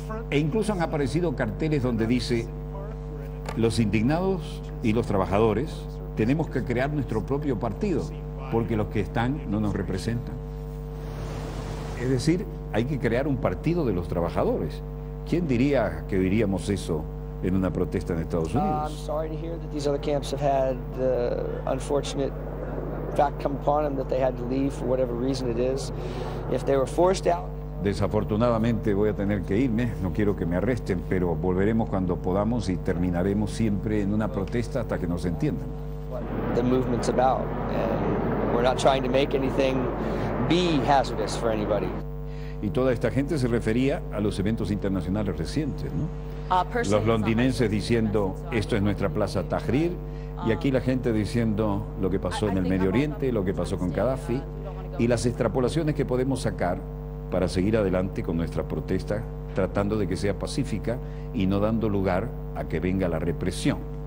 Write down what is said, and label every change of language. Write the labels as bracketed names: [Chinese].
[Spanish] E incluso han aparecido carteles donde dice, los indignados y los trabajadores tenemos que crear nuestro propio partido, porque los que están no nos representan. Es decir, hay que crear un partido de los trabajadores. ¿Quién diría que oiríamos eso en una protesta en Estados Unidos? [English] I'm sorry to hear that these other camps have had the unfortunate fact come upon them that they had to leave for whatever reason it is. If they were forced out. [Spanish] Desafortunadamente voy a tener que irme, no quiero que me arresten, pero volveremos cuando podamos y terminaremos siempre en una protesta hasta que nos entiendan. [English] The movement's about, and we're not trying to make anything be hazardous for anybody. [Spanish] Y toda esta gente se refería a los eventos internacionales recientes, ¿no? Los londinenses diciendo, esto es nuestra plaza Tahrir, y aquí la gente diciendo lo que pasó en el Medio Oriente, lo que pasó con Gaddafi, y las extrapolaciones que podemos sacar para seguir adelante con nuestra protesta, tratando de que sea pacífica y no dando lugar a que venga la represión.